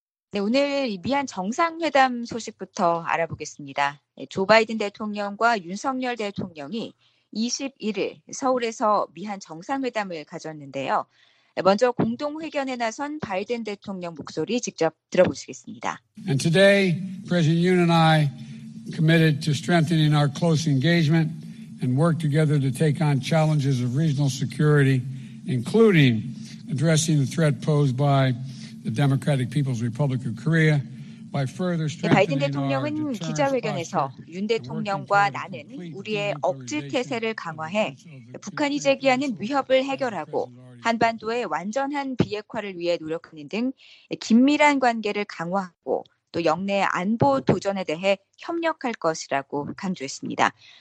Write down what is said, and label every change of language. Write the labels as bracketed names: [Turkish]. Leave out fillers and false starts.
[Korean] 네, 오늘 미한 정상회담 소식부터 알아보겠습니다. 조 바이든 대통령과 윤석열 대통령이 21일 서울에서 미한 정상회담을 가졌는데요. 먼저 공동회견에 나선 바이든 대통령 목소리 직접 들어보시겠습니다. [English] And today, President Yoon and I committed to strengthening our close engagement and work together to take on challenges of regional security, including addressing the threat posed by the Democratic People's Republic of Korea. [Korean] 바이든 대통령은 기자회견에서 윤 대통령과 나는 우리의 억제 태세를 강화해 북한이 제기하는 위협을 해결하고 한반도의 완전한 비핵화를 위해 노력하는 등 긴밀한 관계를 강화하고 또 영내 안보 도전에 대해 협력할 것이라고 강조했습니다.